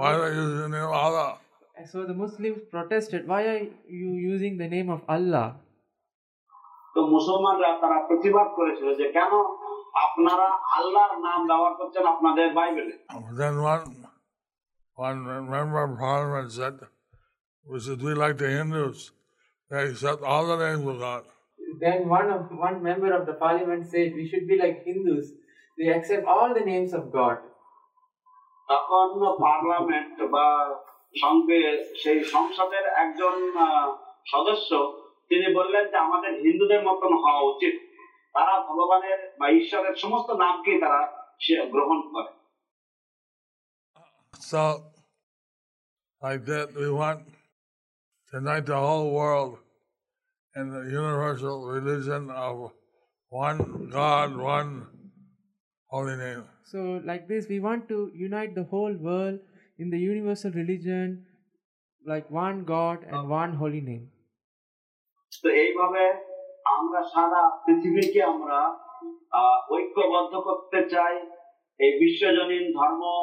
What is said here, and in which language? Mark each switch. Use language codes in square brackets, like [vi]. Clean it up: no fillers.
[en] Why are you using the name of Allah? So the Muslims protested. Why are you using the name of Allah? [bn] তো মুসলমানরা তারা প্রতিবাদ করেছিল যে কেন আপনারা আল্লাহর নাম ব্যবহার করছেন আপনাদের বাইবেলে। [en] Then one member of parliament said, we should be like the Hindus, they accept all the names of God. Then one member of the parliament said, we should be like Hindus, they accept all the names of God. [bn] তখন parliament বা সঙ্গে সেই সংসদের একজন সদস্য তিনি বললেন যে আমাদের হিন্দুদের মতন হওয়া উচিত, তারা ভগবানের বা ঈশ্বরের সমস্ত নামকে তারা সে গ্রহণ করে। [en] Like that, we want to unite the whole world in the universal religion of one God, one holy name. So, like this, we want to unite the whole world in the universal religion, like one God and one holy name. [bn] So, এইভাবে আমরা সারা পৃথিবীকে আমরা ঐক্যবদ্ধ করতে চাই এই বিশ্বজনীন ধর্ম।